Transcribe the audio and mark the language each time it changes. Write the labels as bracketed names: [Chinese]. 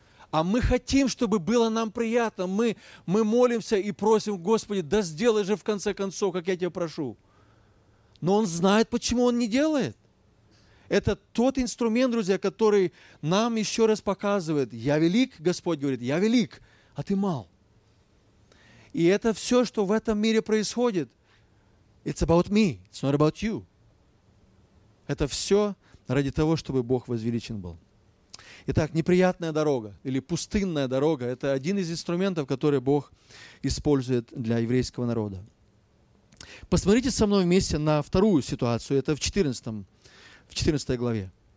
[Russian] А мы хотим, чтобы было нам приятно. Мы молимся и просим, Господи, да сделай же в конце концов, как я тебя прошу. Но Он знает, почему Он не делает. Это тот инструмент, друзья, который нам еще раз показывает. Я велик, Господь говорит, я велик, а ты мал. И это все, что в этом мире происходит. [English] It's about me, it's not about you. [Russian] Это все ради того, чтобы Бог возвеличен был. Итак, неприятная дорога или пустынная дорога – это один из инструментов, который Бог использует для еврейского народа. Посмотрите со мной вместе на вторую ситуацию. Это в 14 главе.